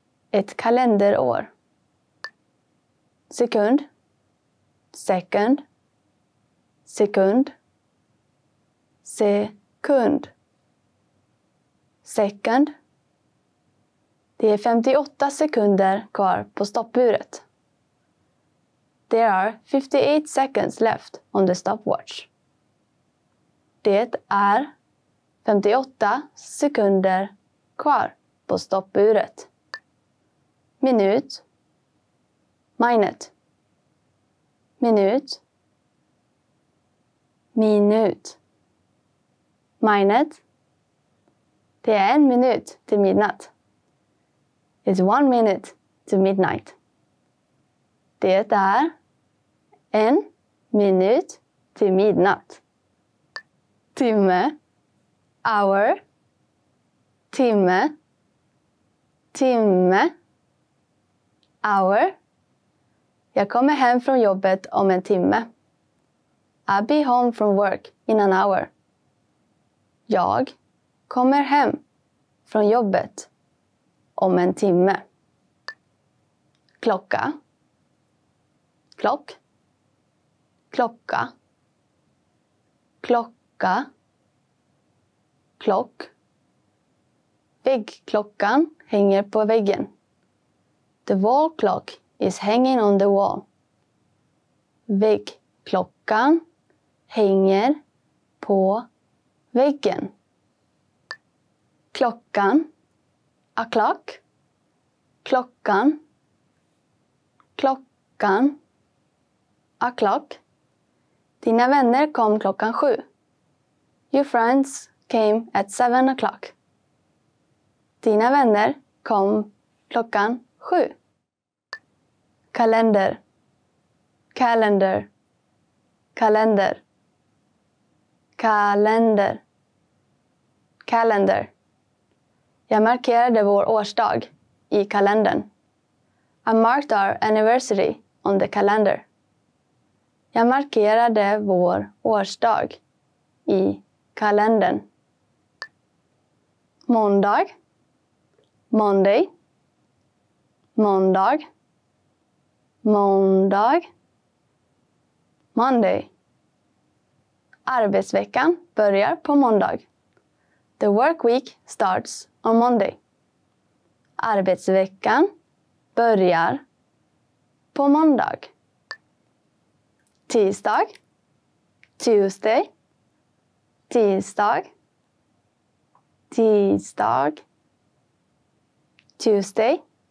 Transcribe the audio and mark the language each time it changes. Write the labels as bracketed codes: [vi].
[sv] Ett kalenderår. Sekund. [en] Second. [sv] Sekund. Sekund. [en] Second. [sv] Det är 58 sekunder kvar på stoppuret. [en] There are 58 seconds left on the stopwatch. [sv] Det är 58 sekunder kvar på stoppuret. Minut. [en] Minute. [sv] Minut. Minut. [en] Minute. [sv] Det är en minut till midnatt. [en] It's 1 minute to midnight. [sv] Det är en minut till midnatt. Timme. [en] Hour. [sv] Timme. Timme. Hour. Jag kommer hem från jobbet om en timme. [en] I'll be home from work in an hour. [sv] Jag kommer hem från jobbet om en timme. Klocka. Klock. Klocka. Klocka. Klock. Väggklockan hänger på väggen. [en] The wall clock is hanging on the wall. [sv] Väggklockan hänger på väggen. Klockan. [en] A clock. [sv] Klockan. Klockan. [en] A clock. [sv] Dina vänner kom klockan 7. [en] Your friends came at 7 o'clock. [sv] Dina vänner kom klockan 7. Kalender. Kalender. Kalender. Kalender. Kalender. Jag markerade vår årsdag i kalendern. [en] I marked our anniversary on the calendar. [sv] Jag markerade vår årsdag i kalendern. Måndag. [en] Monday. [sv] Måndag. Måndag. [en] Monday. [sv] Arbetsveckan börjar på måndag. [en] The work week starts on Monday. [sv] Arbetsveckan börjar på måndag. Tisdag. [en] Tuesday. [sv] Tisdag. Tisdag. [en] Tuesday.